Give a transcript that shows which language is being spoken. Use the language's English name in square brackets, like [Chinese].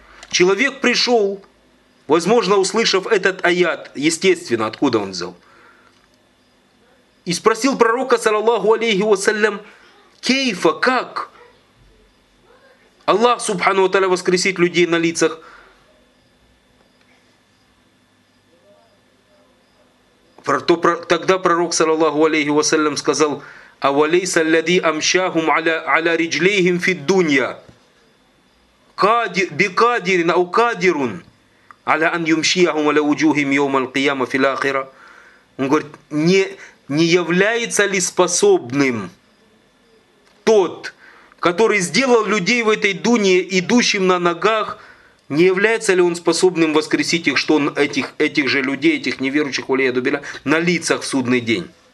[Russian] Человек пришел, возможно, услышав этот аят, естественно, откуда он взял, и спросил пророка, саллаллаху алейхи ва саллям, кейфа, как? Аллах субхану ва тааля воскресит людей на лицах. Тогда пророк, саллаллаху алейхи ва саллям, сказал, [Arabic] أوليس الذي أمشاهم على رجليهم في الدنيا بقادر أو قادر على أن يمشيهم على وجوههم يوم القيامة في الآخرة. [Russian] Он говорит, не является ли способным тот, который сделал людей в этой дуне идущим на ногах, не является ли он способным воскресить их, что он этих же людей, этих неверующих, на лицах в судный день?